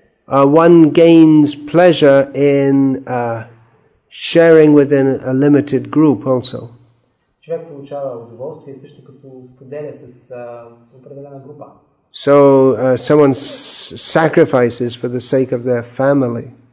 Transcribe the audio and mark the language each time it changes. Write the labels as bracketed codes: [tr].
[en] One gains pleasure in sharing within a limited group also. [bg] Човек получава удоволствие също като споделя с определена група. [en] So someone sacrifices for the sake of their family.